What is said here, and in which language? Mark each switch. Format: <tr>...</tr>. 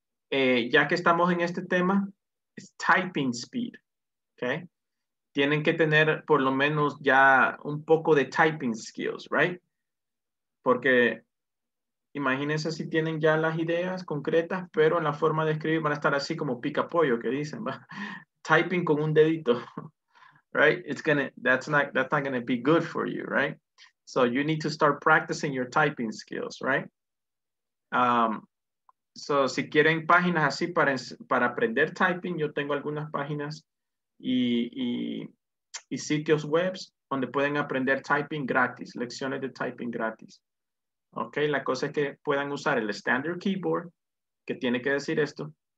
<es>Ya que estamos en este tema, es</es> <en>typing speed. Okay?</en> <es>Tienen que tener por lo menos ya un poco de typing skills, right? Porque imagínense si tienen ya las ideas concretas, pero en la forma de escribir van a estar así como pica pollo, que dicen, ¿va? Typing con un dedito.</es> <en>Right, that's not gonna be good for you, right? So you need to start practicing your typing skills, right?</en> <es>So si quieren páginas así para aprender typing, yo tengo algunas páginas y sitios webs donde pueden aprender typing gratis, lecciones de typing gratis. Okay, la cosa es que puedan usar el standard keyboard, que tiene que decir esto.</es>